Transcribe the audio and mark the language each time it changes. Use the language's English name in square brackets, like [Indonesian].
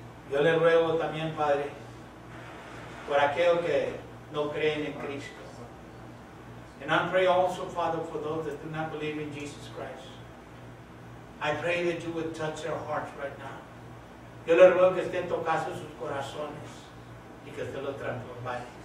[Spanish] Yo le ruego también, Padre, por aquellos que no creen en Cristo. [English] And I pray also, Father, for those that do not believe in Jesus Christ. I pray that you would touch their hearts right now. [Spanish] Yo le ruego que estén tocando sus corazones y que usted los transforme.